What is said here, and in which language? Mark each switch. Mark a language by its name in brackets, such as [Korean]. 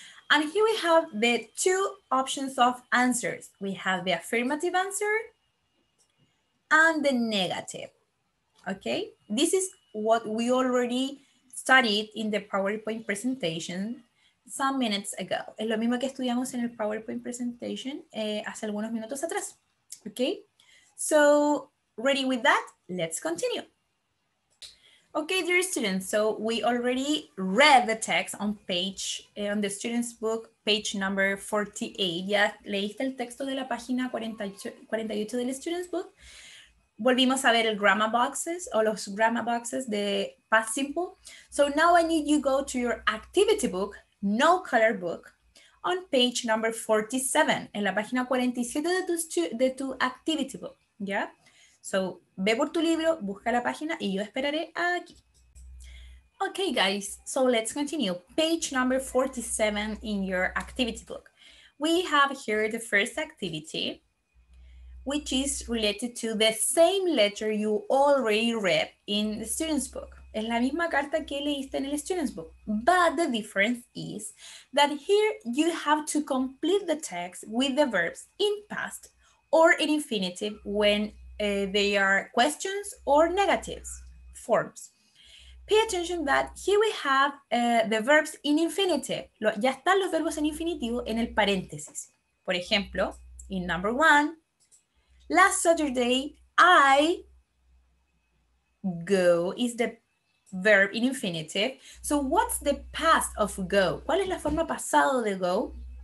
[English] And here we have the two options of answers. We have the affirmative answer and the negative, okay? This is what we already studied in the PowerPoint presentation some minutes ago. [Spanish] Es lo mismo que estudiamos en el PowerPoint presentation hace algunos minutos atrás, okay? [English] So, ready with that? Let's continue. Okay, dear students, so we already read the text on page, on the student's book, page number 48. [Spanish] Ya leíste el texto de la página 48 del student's book. Volvimos a ver el grammar boxes o los grammar boxes de past simple. [English] So now I need you go to your activity book, no color book, on page number 47, [Spanish] en la página 47 de tu [English] activity book, ¿ya? [Spanish] So, ve por tu libro, busca la página y yo esperaré aquí. [English] Okay, guys, so let's continue. Page number 47 in your activity book. We have here the first activity, which is related to the same letter you already read in the student's book. Es la misma carta que leíste en el student's book. But the difference is that here you have to complete the text with the verbs in past or in infinitive when they are questions or negatives, forms. Pay attention that here we have the verbs in infinitive. [Spanish] Ya están los verbos en infinitivo en el paréntesis. Por ejemplo, [English] in number one, last Saturday, I go is the verb in infinitive. So what's the past of go? [Spanish] ¿Cuál es la forma pasado de go?